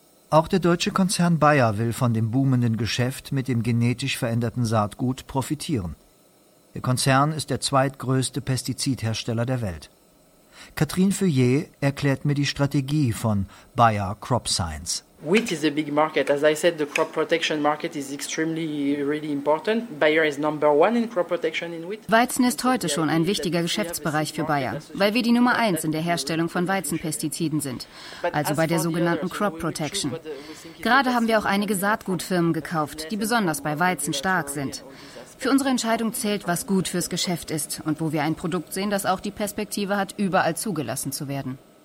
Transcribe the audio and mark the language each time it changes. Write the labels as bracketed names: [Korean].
[German] Auch der deutsche Konzern Bayer will von dem boomenden Geschäft mit dem genetisch veränderten Saatgut profitieren. Der Konzern ist der zweitgrößte Pestizidhersteller der Welt. Katrin Feuillet erklärt mir die Strategie von Bayer Crop Science. [English] Wheat is a big market. As I said, the crop protection market is extremely really important. Bayer is number one in crop protection in wheat. [German] Weizen ist heute schon ein wichtiger Geschäftsbereich für Bayer, weil wir die Nummer eins in der Herstellung von Weizenpestiziden sind, also bei der sogenannten Crop Protection. Gerade haben wir auch einige Saatgutfirmen gekauft, die besonders bei Weizen stark sind. Für unsere Entscheidung zählt, was gut fürs Geschäft ist und wo wir ein Produkt sehen, das auch die Perspektive hat, überall zugelassen zu werden.